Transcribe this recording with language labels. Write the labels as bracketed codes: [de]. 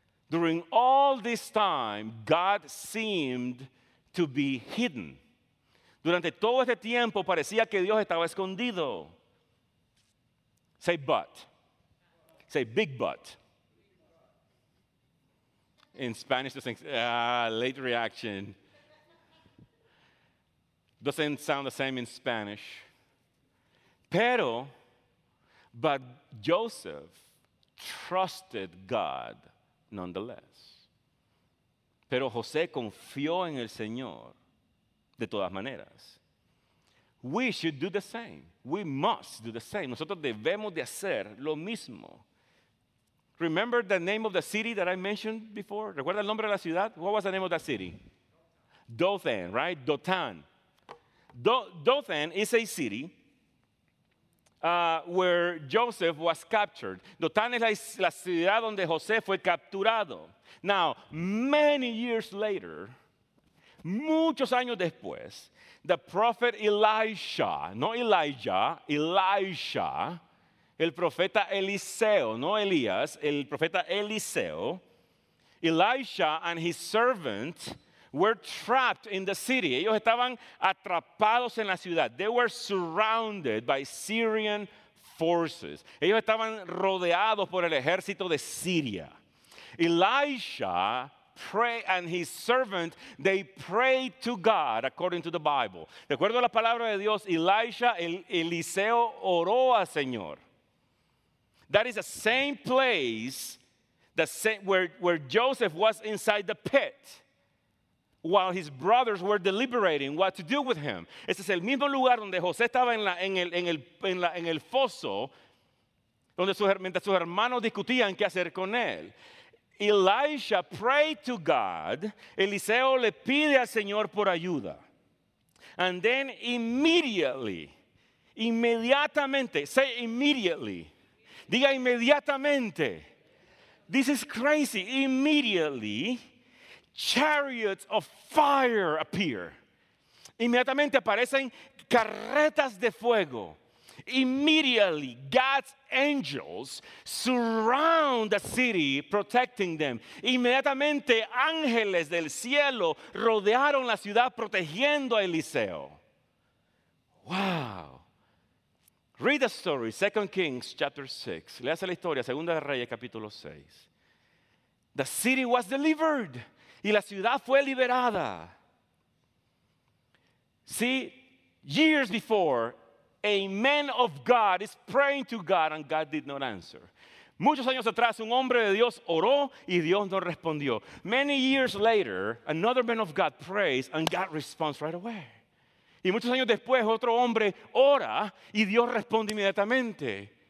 [en] During all this time, God seemed to be hidden. [es] Durante todo este tiempo, parecía que Dios estaba escondido. [en] Say but. Say big but. In Spanish, it's late reaction. Doesn't sound the same in Spanish. But Joseph trusted God nonetheless. [es] Pero José confió en el Señor de todas maneras. [en] We should do the same. We must do the same. [es] Nosotros debemos de hacer lo mismo. [en] Remember the name of the city that I mentioned before? [es] ¿Recuerda el nombre de la ciudad? [en] What was the name of that city? Dothan, right? Dothan. Dothan is a city where Joseph was captured. [es] Dothan es la ciudad donde José fue capturado. [en] Now, many years later, [es] muchos años después, [en] the prophet Elisha, [es] el profeta Eliseo, no Elías, el profeta Eliseo, [en] Elisha and his servant were trapped in the city. [es] Ellos estaban atrapados en la ciudad. [en] They were surrounded by Syrian forces. [es] Ellos estaban rodeados por el ejército de Siria. [en] Elisha prayed, and his servant, they prayed to God according to the Bible. [es] De acuerdo a la palabra de Dios, Elisha, Eliseo oró al Señor. [en] That is the same place where Joseph was inside the pit while his brothers were deliberating what to do with him. [es] Ese es el mismo lugar donde José estaba en el foso, donde mientras sus hermanos discutían qué hacer con él. [en] Elisha prayed to God. [es] Eliseo le pide al Señor por ayuda. [en] And then immediately, this is crazy, immediately, chariots of fire appear. [es] Inmediatamente aparecen carretas de fuego. [en] Immediately, God's angels surround the city, protecting them. [es] Inmediatamente, ángeles del cielo rodearon la ciudad, protegiendo a Eliseo. [en] Wow. Read the story, 2 Kings chapter 6. [es] Léase la historia, 2 de Reyes capítulo 6. [en] The city was delivered. [es] Y la ciudad fue liberada. [en] See, years before, a man of God is praying to God and God did not answer. [es] Muchos años atrás, un hombre de Dios oró y Dios no respondió. [en] Many years later, another man of God prays and God responds right away. [es] Y muchos años después, otro hombre ora y Dios responde inmediatamente.